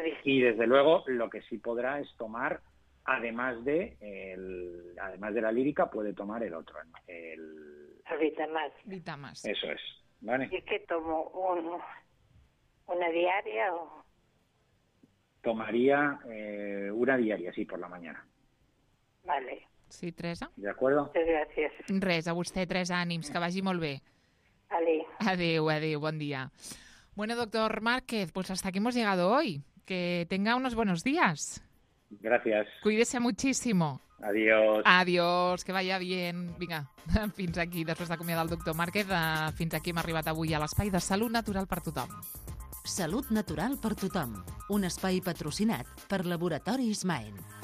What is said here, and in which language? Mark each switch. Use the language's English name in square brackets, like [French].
[Spanish] Y desde luego, lo que sí podrá es tomar, además de la lírica, puede tomar el otro. El Vitamás. Vitamás. Eso es. ¿Vale? ¿Y qué tomo? ¿Una diaria o...? Tomaría una diaria, sí, por la mañana. Vale. Sí, Teresa. De acuerdo. Muchas gracias. [Catalan] Res, a vostè, tres ànims, que vagi molt bé. [Spanish] Vale. [Catalan] Adéu, adéu, bon dia. [Spanish] Bueno, doctor Márquez, pues hasta aquí hemos llegado hoy. Que tenga unos buenos días. Gracias. Cuídese muchísimo. Adiós. Adiós, que vaya bien. [Catalan] Vinga, fins aquí, després d'acomiadar el doctor Márquez, fins aquí hem arribat avui a l'espai de Salut Natural per tothom. Salut Natural per tothom. Un espai patrocinat per Laboratori Ismael.